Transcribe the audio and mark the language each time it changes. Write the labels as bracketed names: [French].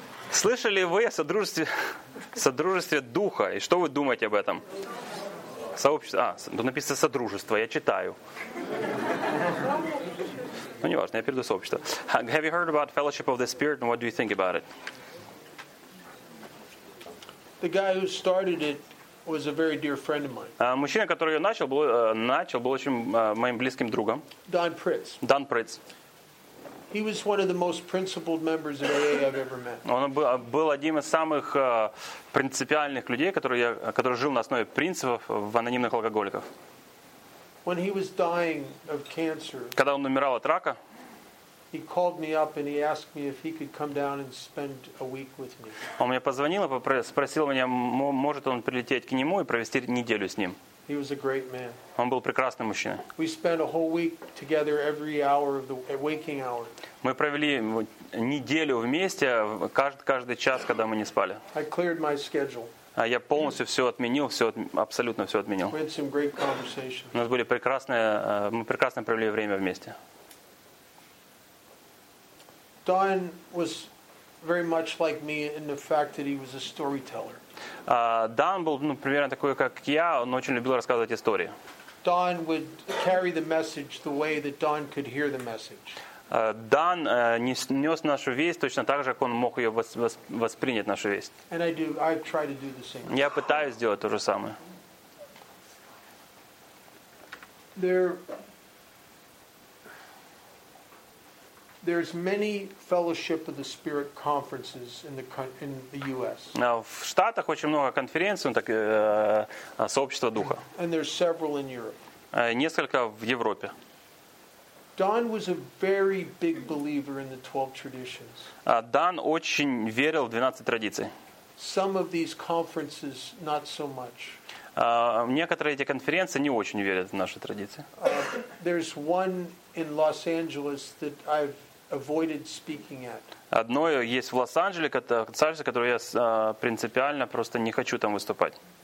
[Russian] Слышали вы о содружестве духа? И что вы думаете об этом? Сообщество. А, тут написано содружество, я читаю. Ну, не важно, я перейду сообщество. [English] Have you heard about fellowship of the Spirit and what do you think about it? The guy who started it was a very dear friend of mine. [Russian] Мужчина, который её начал был очень моим близким другом. [English] Дон Притц. He was one of the most principled members of AA I've ever met. [Russian] Он был одним из самых принципиальных людей, который жил на основе принципов в анонимных алкоголиков. [English] When he was dying of cancer. [Russian] Когда он умирал от рака, [English] he called me up and he asked me if he could come down and spend a week with me. [Russian] Он мне позвонил и спросил меня, может он прилететь к нему и провести неделю с ним. [English] He was a great man. [Russian] Он был прекрасным мужчиной. [English] We spent a whole week together every hour of the waking hour. [Russian] Мы провели неделю вместе каждый час, когда мы не спали. [English] I cleared my schedule. [Russian] А я полностью все отменил, абсолютно все отменил. [English] We had some great conversations. [Russian] У нас были прекрасные, мы прекрасно провели время вместе. [English] Don was very much like me in the fact that he was a storyteller. [Russian] Don был, ну, примерно такой, как я, он очень любил рассказывать истории. [English] Don would carry the message the way that Don could hear the message. [Russian] Don нес нашу весть точно так же, как он мог ее воспринять, нашу весть. [English] And I try to do the same. [Russian] Я пытаюсь сделать то же самое. [English] There's many Fellowship of the Spirit conferences in the U.S. [Russian] В Штатах очень много конференций, так сообщества духа. [English] And there's several in Europe. [Russian] Несколько в Европе. [English] Don was a very big believer in the 12 traditions. [Russian] Don очень верил в 12 традиций. [English] Some of these conferences not so much. [Russian] Некоторые эти конференции не очень верят в наши традиции. [English] There's one in Los Angeles that I've avoided speaking at. [Russian] Одно есть в Лос-Анджелесе, которое я принципиально просто не хочу там выступать.